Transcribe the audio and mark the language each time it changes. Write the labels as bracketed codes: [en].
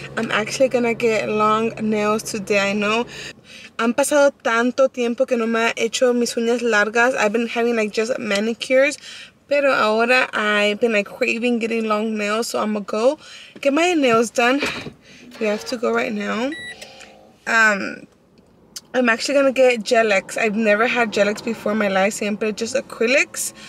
[en] I'm actually gonna get long nails today, I know. [es] Han pasado tanto tiempo que no me he hecho mis uñas largas. [en] I've been having like just manicures. [es] Pero ahora [en] I've been like craving getting long nails, so I'm gonna go get my nails done. We have to go right now. I'm actually gonna get gel X. I've never had gel X before in my life, siempre just acrylics.